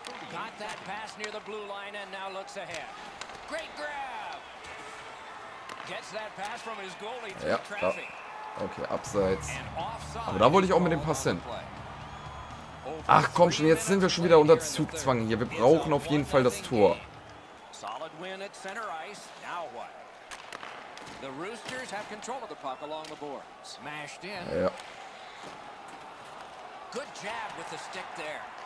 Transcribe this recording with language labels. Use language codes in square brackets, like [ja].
[en] Got that pass near the blue line and now looks ahead. Great grab. Gets that pass from his goalie through traffic. [de] Ja, okay, abseits. Aber da wollte ich auch mit dem Pass hin. Ach komm schon, jetzt sind wir schon wieder unter Zugzwang hier. Wir brauchen auf jeden Fall das Tor. [en] Solid win at center ice. Now what? The Roosters have control of the puck along the board. Smashed in. Ja. Good jab with the stick there.